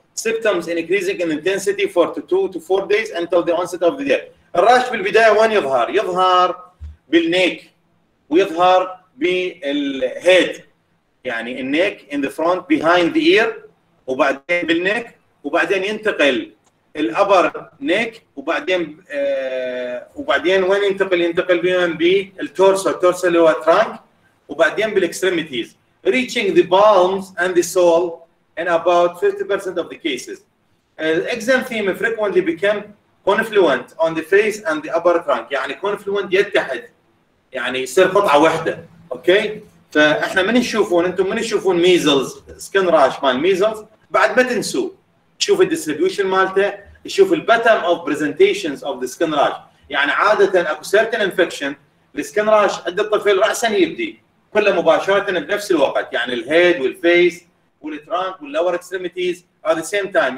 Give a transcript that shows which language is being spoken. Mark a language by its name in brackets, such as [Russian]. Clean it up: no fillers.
[English] Symptoms increasing in intensity for 2 to 4 days until the onset of the day. [Arabic] الراش بالبداية وين يظهر؟ يظهر بالنيك ويظهر بالهيد. يعني النيك [English] in the front behind the ear [Arabic] وبعدين بالنيك وبعدين ينتقل الأبر نيك وبعدين وبعدين وين ينتقل؟ ينتقل بين بالتورسو التورسو اللي هو ترانك وبعدين بالإكستريميتيز [English] reaching the palms and the sole in about 50% of the cases. Exanthema frequently become confluent on the face and the upper trunk. [Arabic] يعني confluent يتحد يعني يصير قطعة واحدة. أوكي فاحنا من نشوفون انتم من نشوفون ميزلز سكن راش مال ميزلز بعد ما تنسوا تشوف الديستريبيوشن مالته تشوف [English] الباترن of presentations of the skin rash. [Arabic] يعني عاده اكو سيرتن انفكشن السكن راش عند الطفل راسا يبدي كله مباشره بنفس الوقت يعني الهيد والفيس والترانك واللور اكستريميتيز [English] At the same time.